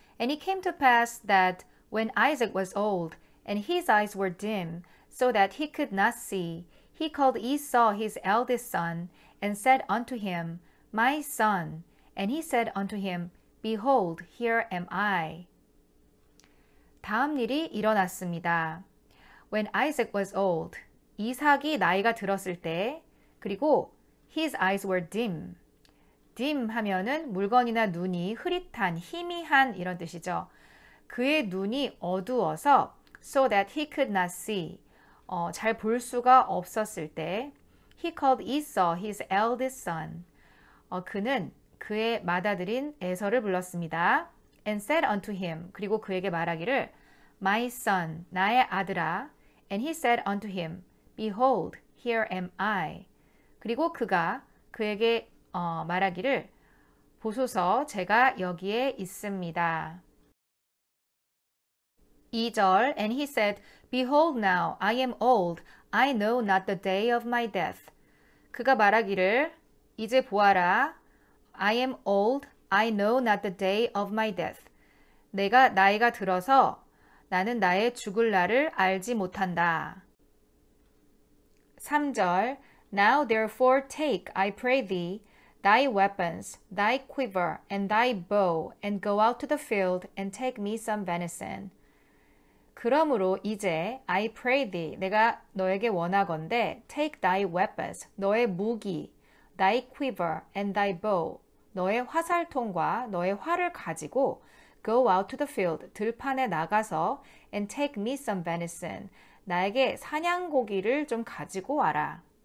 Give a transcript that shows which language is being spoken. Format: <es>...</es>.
<en>And it came to pass that when Isaac was old, and his eyes were dim, so that he could not see, he called Esau his eldest son, and said unto him, My son. And he said unto him, Behold, here am I.</en> <ko>다음 일이 일어났습니다.</ko> <en>When Isaac was old,</en> <ko>이삭이 나이가 들었을 때, 그리고</ko> <en>his eyes were dim.</en> <ko>dim 하면은 물건이나 눈이 흐릿한, 희미한 이런 뜻이죠. 그의 눈이 어두워서</ko> <en>so that he could not see,</en> <ko>잘 볼 수가 없었을 때</ko> <en>he called Esau his eldest son.</en> <ko>그는 그의 맏아들인 에서를 불렀습니다.</ko> <en>and said unto him,</en> <ko>그리고 그에게 말하기를</ko> <en>my son,</en> <ko>나의 아들아</ko> <en>and he said unto him, behold, here am I.</en> <ko>그리고 그가 그에게 말하기를 보소서 제가 여기에 있습니다.</ko> <en>2절 And he said, Behold now, I am old. I know not the day of my death.</en> <ko>그가 말하기를 이제 보아라.</ko> <en>I am old. I know not the day of my death.</en> <ko>내가 나이가 들어서 나는 나의 죽을 날을 알지 못한다.</ko> <en>3절 Now therefore take, I pray thee, thy weapons, thy quiver, and thy bow, and go out to the field, and take me some venison.</en> <ko>그러므로 이제,</ko> <en>I pray thee,</en> <ko>내가 너에게 원하건대,</ko> <en>take thy weapons,</en> <ko>너의 무기,</ko> <en>thy quiver, and thy bow,</en> <ko>너의 화살통과 너의 활을 가지고,</ko> <en>go out to the field,</en> <ko>들판에 나가서,</ko> <en>and take me some venison,</en> <ko>나에게 사냥고기를 좀 가지고 와라.</ko>